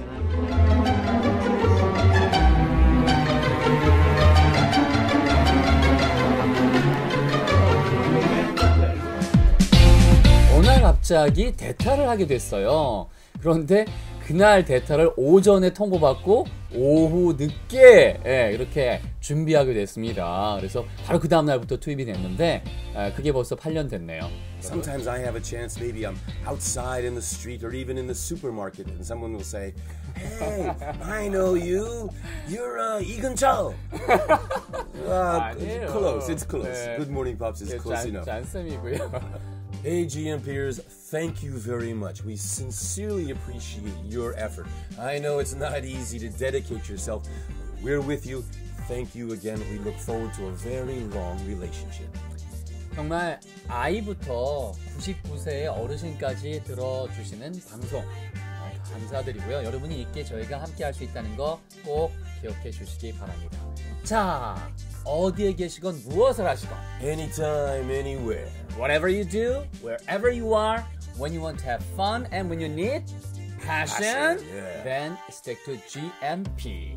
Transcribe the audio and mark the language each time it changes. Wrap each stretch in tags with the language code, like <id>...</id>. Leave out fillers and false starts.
<ko>어느 날 갑자기 대타를 하게 됐어요. 그런데 그날 대타를 오전에 통보받고 오후 늦게 이렇게 준비하게 됐습니다. 그래서 바로 그 다음날부터 투입이 됐는데 그게 벌써 8년 됐네요.</ko> <en>Sometimes I have a chance, maybe I'm outside in the street or even in the supermarket and someone will say, Hey, I know you. You're 이근철. It's close, it's close. 네. Good morning, Pops, it's close enough.</en> <ko>잔쌤이고요.</ko> <en>AGM peers, thank you very much. We sincerely appreciate your effort. I know it's not easy to dedicate yourself. We're with you. Thank you again. We look forward to a very long relationship.</en> <ko>정말 아이부터 99세의 어르신까지 들어주시는 방송 감사드리고요. 여러분이 있게 저희가 함께 할 수 있다는 거 꼭 기억해 주시기 바랍니다. 자, 어디에 계시건 무엇을 하시건</ko> <en>Anytime, anywhere. Whatever you do, wherever you are, when you want to have fun and when you need passion, then stick to GMP.</en>